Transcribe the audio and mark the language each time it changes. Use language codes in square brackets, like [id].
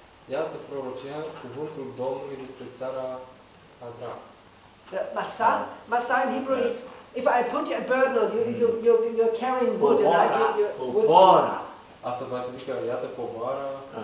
[ro] Iată prorocia cuvântul Domnului despre țara Adra. [en] Masa in Hebrew is if I put a burden on you, you're carrying wood and I give you wood. [ro] Povară. Asta vreau să zic că iată povară.